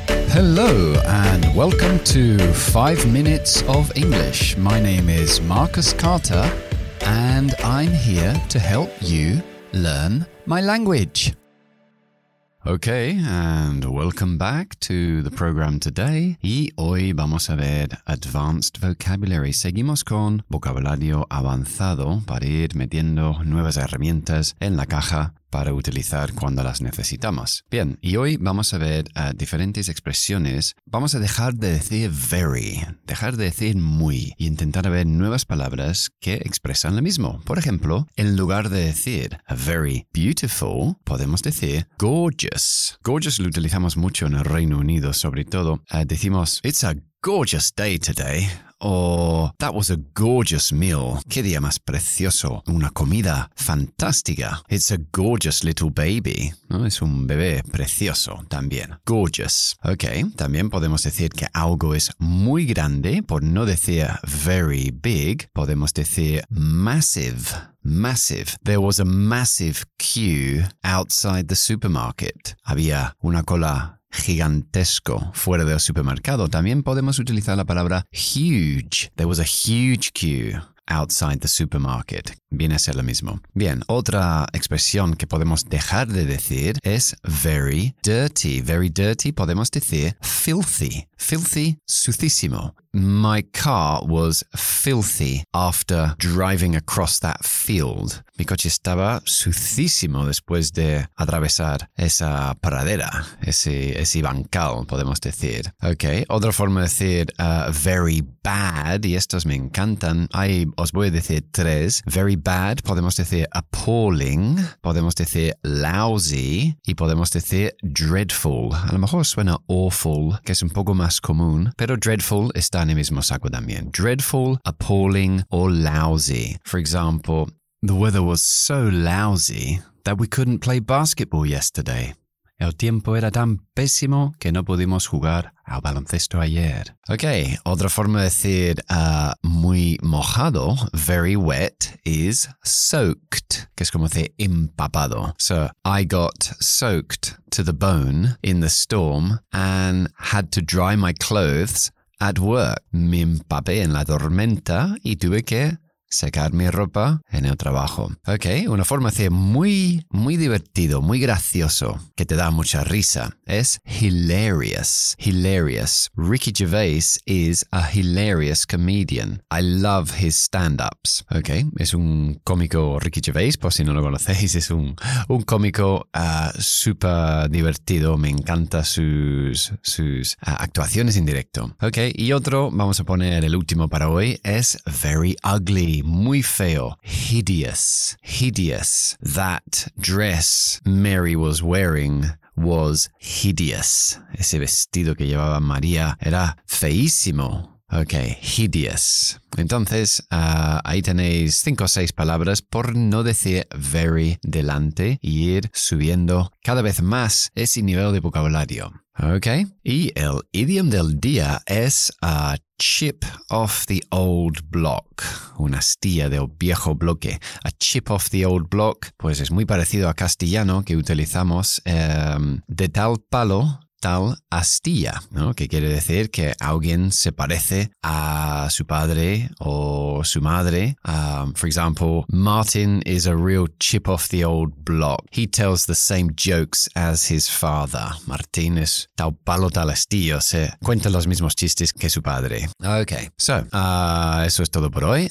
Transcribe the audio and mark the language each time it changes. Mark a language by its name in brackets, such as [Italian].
[English] Hello and welcome to 5 Minutes of English. My name is Marcus Carter and I'm here to help you learn my language. Okay, and welcome back to the program today. [Spanish] Y hoy vamos a ver Advanced Vocabulary. Seguimos con vocabulario avanzado para ir metiendo nuevas herramientas en la caja para utilizar cuando las necesitamos. Bien, y hoy vamos a ver diferentes expresiones. Vamos a dejar de decir very, dejar de decir muy, y intentar ver nuevas palabras que expresan lo mismo. Por ejemplo, en lugar de decir [English] a very beautiful, [Spanish] podemos decir gorgeous. Gorgeous lo utilizamos mucho en el Reino Unido, sobre todo. [English] Decimos, it's a gorgeous day today. O, that was a gorgeous meal. [Spanish] ¿Qué día más precioso? Una comida fantástica. [English] It's a gorgeous little baby. [Spanish] ¿No? Es un bebé precioso también. Gorgeous. Ok, también podemos decir que algo es muy grande. Por no decir [English] very big, [Spanish] podemos decir massive. [English] Massive. There was a massive queue outside the supermarket. [Spanish] Había una cola gigantesco fuera del supermercado. También podemos utilizar la palabra huge. [English] There was a huge queue outside the supermarket. [Spanish] Viene a ser lo mismo. Bien, otra expresión que podemos dejar de decir es [English] very dirty. Very dirty, [Spanish] podemos decir filthy. Filthy, sucísimo. My car was filthy after driving across that field. Mi coche estaba sucísimo después de atravesar esa pradera, ese bancal, podemos decir. Ok, otra forma de decir [English] very bad, [Spanish] y estos me encantan. Ahí os voy a decir tres. [English] Very bad, [Spanish] podemos decir appalling, podemos decir lousy, y podemos decir dreadful. A lo mejor suena awful, que es un poco más común, pero dreadful está en el mismo saco también. [English] Dreadful, appalling, or lousy. For example, the weather was so lousy that we couldn't play basketball yesterday. [Spanish] El tiempo era tan pésimo que no pudimos jugar al baloncesto ayer. Ok, otra forma de decir muy mojado, [English] very wet, is soaked, [Spanish] que es como decir empapado. [English] So, I got soaked to the bone in the storm and had to dry my clothes at work. [Spanish] Me empapé en la tormenta y tuve que secar mi ropa en el trabajo. Ok, una forma de decir muy, muy divertido, muy gracioso, que te da mucha risa, es hilarious. Hilarious. [English] Ricky Gervais is a hilarious comedian. I love his stand-ups. [Spanish] Ok, es un cómico Ricky Gervais, por si no lo conocéis, es un cómico súper divertido. Me encantan sus actuaciones en directo. Ok, y otro, vamos a poner el último para hoy, es [English] very ugly. [Spanish] Muy feo. [English] Hideous. Hideous. That dress Mary was wearing was hideous. [Spanish] Ese vestido que llevaba María era feísimo. Ok, hideous. Entonces, ahí tenéis 5 o 6 palabras por no decir very delante y ir subiendo cada vez más ese nivel de vocabulario. Okay. Y el idiom del día es [English] a chip off the old block. [Spanish] Una astilla del viejo bloque. [English] A chip off the old block, [Spanish] pues es muy parecido a castellano que utilizamos de tal palo, tal astilla, ¿no? Que quiere decir que alguien se parece a su padre o su madre. [English] For example, Martin is a real chip off the old block. He tells the same jokes as his father. [Spanish] Martin es tal palo, tal astilla. O sea, cuenta los mismos chistes que su padre. Okay, so, eso es todo por hoy.